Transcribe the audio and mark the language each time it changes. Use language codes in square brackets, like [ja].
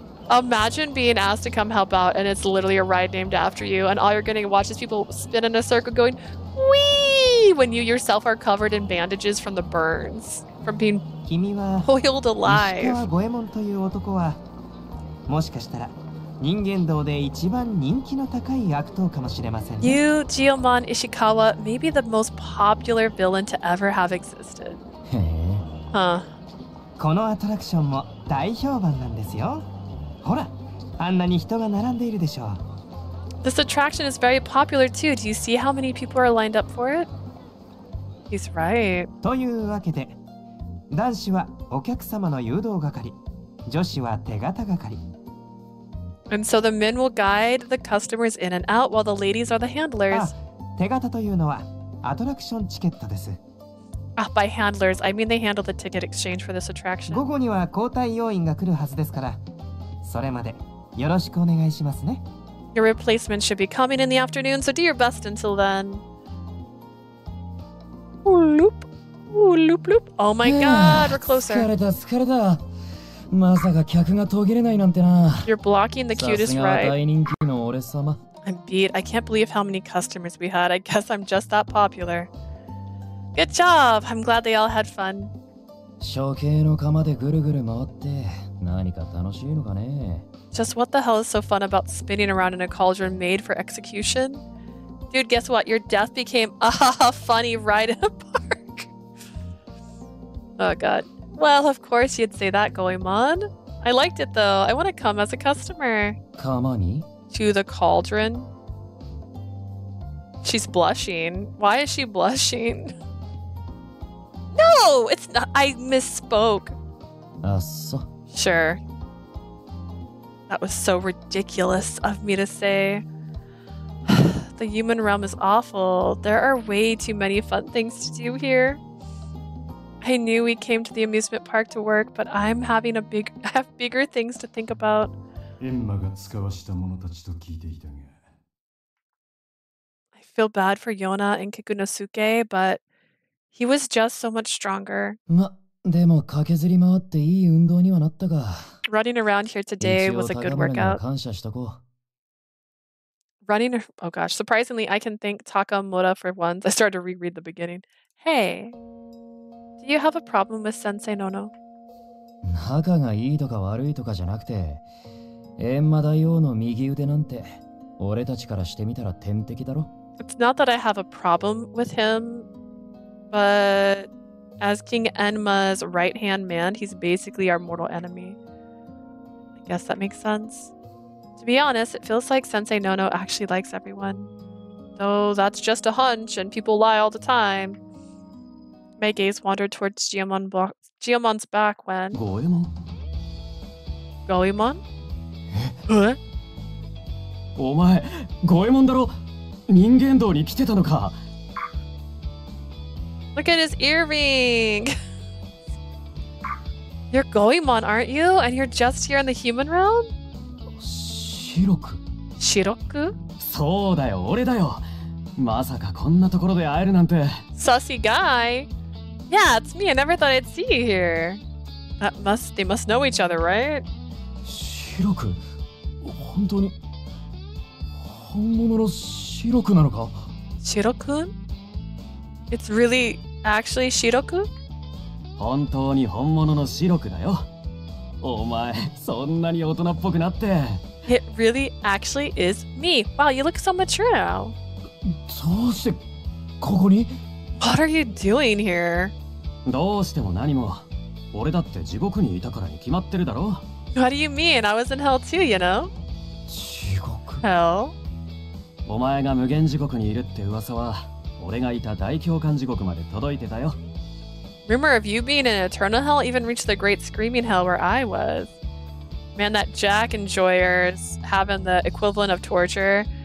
[en] Imagine being asked to come help out and it's literally a ride named after you, and all you're getting to watch is people spin in a circle going, "Wee!" when you yourself are covered in bandages from the burns, from being boiled alive. [ja] 君は、西川五右衛門という男は、もしかしたら人間道で一番人気の高い悪党かもしれませんね。 [en] You, Jiomon Ishikawa, may be the most popular villain to ever have existed. [ja] へえ。このアトラクションも大評判なんですよ。ほら、あんなに人が並んでいるでしょう。 [en] This attraction is very popular too. Do you see how many people are lined up for it? He's right. [ja] というわけで、男子はお客様の誘導係、女子は手形係。 [en] And so the men will guide the customers in and out while the ladies are the handlers. [ja] 手形というのはアトラクションチケットです。 [en] By handlers, I mean they handle the ticket exchange for this attraction. [ja] 午後には交代要員が来るはずですから、それまでよろしくお願いしますね。 [en] Your replacement should be coming in the afternoon, so do your best until then. Oh my god, we're closer. [ja] 疲れた疲れた。まさか客が途切れないなんてな。 [en] You're blocking the cutest ride. [ja] さすが大人気の俺様。 [en] I'm beat. I can't believe how many customers we had. I guess I'm just that popular. Good job. I'm glad they all had fun. [ja] 処刑の釜でぐるぐる回って何か楽しいのかね。 [en] Just what the hell is so fun about spinning around in a cauldron made for execution? Dude, guess what? Your death became a funny ride in a park. Oh god. Well, of course you'd say that, Goemon. I liked it though. I want to come as a customer. Kamani? To the cauldron. She's blushing. Why is she blushing? No! It's not. I misspoke. Asso. Sure. That was so ridiculous of me to say. The human realm is awful. There are way too many fun things to do here. I knew we came to the amusement park to work, but I'm having a big, I have bigger things to think about. [ja] Emma が使わした者たちと聞いていたが。 [en] I feel bad for Yona and Kikunosuke, but he was just so much stronger. [ja] ま、でも駆けずり回っていい運動にはなったが。 [en] Running around here today was a good workout. [ja] 感謝しとこう。 [en] Running, oh gosh, surprisingly, I can thank Takamura for once. I started to reread the beginning. Hey. Do you have a problem with Sensei Nono? 仲がいいとか悪いとかじゃなくて、エンマ大王の右腕なんて、俺たちからしてみたら天敵だろ。 It's not that I have a problem with him, but as King Enma's right-hand man, he's basically our mortal enemy. I guess that makes sense. To be honest, it feels like Sensei Nono actually likes everyone. Though that's just a hunch, and people lie all the time. My gaze wandered towards Jiomon's back when... Goemon? Goemon? [ja] Eh? [en] Oh my... [ja] Goemon, daro? Ningen dou ni kite ta no ka? [en] Look at his earring! You're Goemon, aren't you? And you're just here in the human realm? Shiroku? Shiroku? [ja] So da yo, ore da yo! Masaka konna tokoro de aeru nante... [en] Sussy guy! Yeah, it's me. I never thought I'd see you here. That must, they must know each other, right? Shiroku? [ja] 本当に本物のシロクなのか? [en] Shiroku? It's really actually Shiroku? [ja] 本当に本物のシロクだよ。お前、そんなに大人っぽくなって。 [en] It really actually is me. Wow, you look so mature now. [ja] どうしてここに? [en] What are you doing here? [ja] どうしても何も、俺だって地獄にいたからに決まってるだろ。 [en] What do you mean? I was in hell too, you know? [ja] 地獄 [en] Hell? [ja] お前が無限地獄にいるって噂は、俺がいた大教官地獄まで届いてたよ。 [en] Rumor of you being in eternal hell even reached the great screaming hell where I was. Man, that Jack enjoyer's having the equivalent of torture.